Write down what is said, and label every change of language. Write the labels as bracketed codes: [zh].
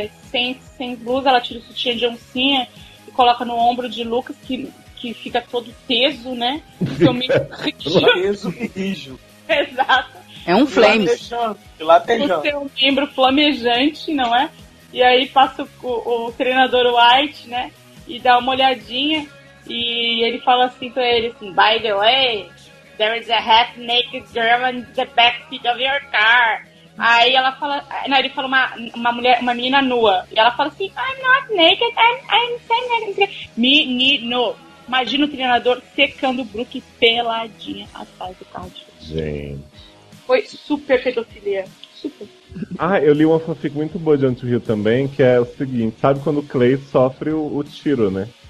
[pt] Sem blusa, ela tira o sutiã de oncinha e coloca no ombro de Lucas, que fica todo teso, né? Seu membro teso e rijo. Exato. É um flames. Latejando. O seu membro flamejante, não é? E aí passa o treinador White, né? E dá uma olhadinha. E ele fala assim pra ele, assim, [en] by the way, there is a half-naked girl in the backseat of your car. [pt] Aí ela fala, não, ele fala uma mulher, uma menina nua. E ela fala assim, [en] I'm not naked, I'm semi-naked. [pt] Menino, imagina o treinador secando o Brook peladinha atrás do caute. Gente. Foi super pedofilia, super. Ah, eu li uma fanfic muito boa de Until Hill também, que é o seguinte, sabe quando o Clay sofre o tiro, né?